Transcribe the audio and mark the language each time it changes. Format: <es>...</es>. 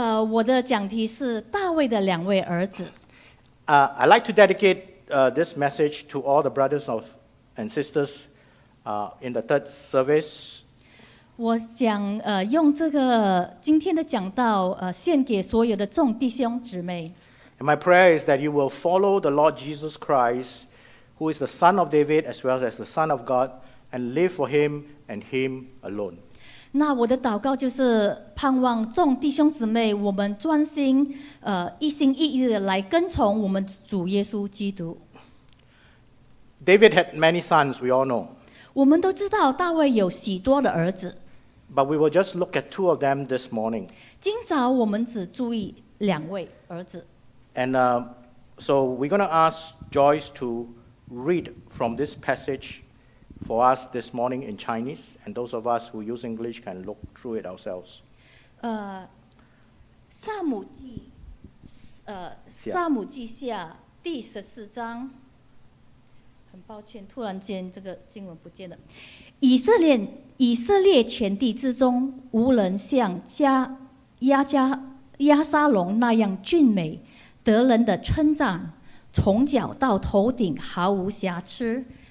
<zh>我的讲题是大卫的两位儿子.</zh> <en>I'd like to dedicate this message to all the brothers and sisters in the third service.</en> <zh>我想, 用这个今天的讲道, 献给所有的众弟兄姊妹.</zh> <en>And my prayer is that you will follow the Lord Jesus Christ, who is the Son of David as well as the Son of God, and live for him and him alone.</en> <zh>那我的祷告就是盼望众弟兄姊妹, 我们专心, 一心一意地来跟从我们主耶稣基督。</zh> <en>David had many sons, we all know.</en> <zh>我们都知道大卫有许多的儿子。</zh> <en>But we will just look at two of them this morning.</en> <zh>今早我们只注意两位儿子。</zh> <en>And so we're going to ask Joyce to read from this passage for us this morning in Chinese, and those of us who use English can look through it ourselves.</en> <zh>撒母记下第十四章，很抱歉，突然间这个经文不见了。以色列全地之中，无人像亚撒龙那样俊美，得人的称赞，从脚到头顶毫无瑕疵。</zh>